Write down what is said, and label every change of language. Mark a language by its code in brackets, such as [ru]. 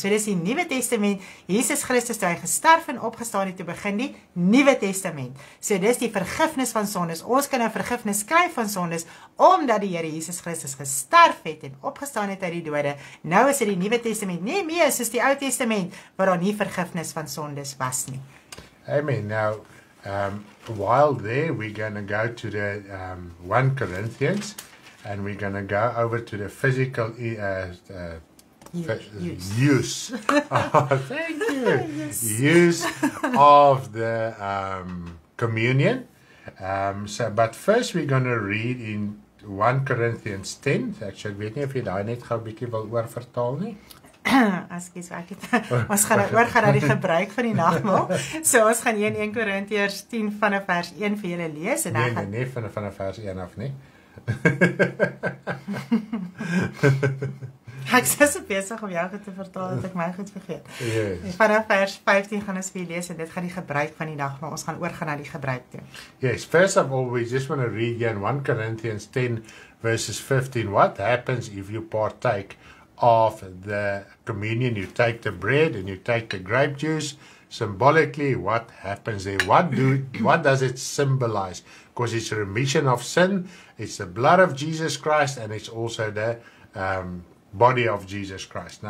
[af] So dis die Nuwe Testament, Jesus Christus, toe hy gesterf en opgestaan het, te begin die Nuwe Testament. So dis die vergifnis van sondes. Ons kan 'n vergifnis kry van sondes, omdat die Here Jesus Christus gesterf het en opgestaan het uit die dode. Nou is dit die Nuwe Testament, nie meer soos die Ou Testament, waar daar nie vergifnis van sondes was nie. Amen. [en] Now, while there, we're going to go to the 1 Corinthians, and we're going to go over to the physical use. Thank you. Yes. Use of the communion. But first, we're going to read in 1 Corinthians 10. Actually, I don't know if you don't need to go a bit over for Tony. [af] Ons gaan oorgaan na die gebruik van die nagmaal. So ons gaan 1 Korintiërs 10 vanaf vers 1 vir julle lees. En nee, nee, nee, vanaf vers 1 af nie. Ek is so besig om jou goed te vertel, dat ek my goed vergeet. [en] Yes. [af] Vanaf vers 15 gaan ons vir julle lees, en dit gaan die gebruik van die nagmaal. Ons gaan oorgaan na die gebruik toe. [en] Yes, first of all, we just want to read here in 1 Corinthians 10 verses 15. What happens if you partake of the communion? You take the bread and you take the grape juice. Symbolically, what happens there? What does it symbolize? Because it's a remission of sin, it's the blood of Jesus Christ, and it's also the body of Jesus Christ.